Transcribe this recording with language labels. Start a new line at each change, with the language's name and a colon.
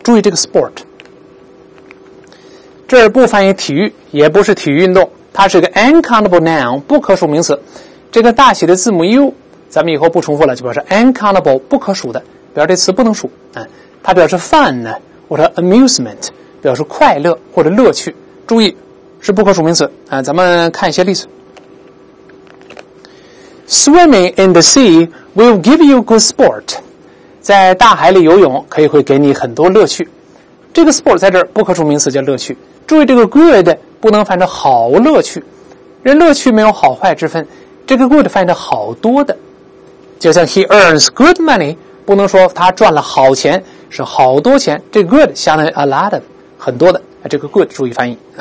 Chinese: 注意这个 sport， 这不翻译体育，也不是体育运动，它是个 uncountable noun， 不可数名词。这个大写的字母 U 咱们以后不重复了，就表示 uncountable， 不可数的，表示这词不能数，它表示 fun 呢，或者 amusement， 表示快乐或者乐趣。注意是不可数名词，咱们看一些例子。
English: Swimming in the sea will give you good sport.
Chinese: 在大海里游泳可以会给你很多乐趣。这个 sport 在这儿不可数名词叫乐趣。注意这个 good 不能翻成好乐趣。人乐趣没有好坏之分，这个 good 翻成好多的。就像
English: he earns good money,
Chinese: 不能说他赚了好钱，是好多钱，这个 good 相当于 a lot of, 很多的，这个 good 注意翻译。